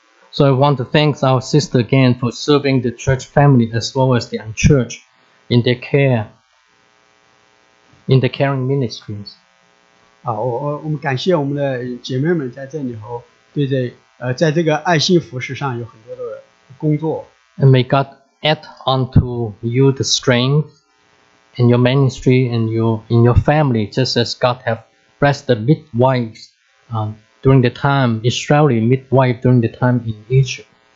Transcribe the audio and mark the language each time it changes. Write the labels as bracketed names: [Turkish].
[English] So I want to thank our sister again for serving the church family as well as the unchurch in their care, in the caring ministries. [Chinese] 我们感谢我们的姐妹们在这里头对这。在这个爱心服事上有很多的工作。 [English] And may God add unto you the strength in your ministry and in your family, just as God have blessed the midwives during the time, Israeli midwife during the time in Egypt.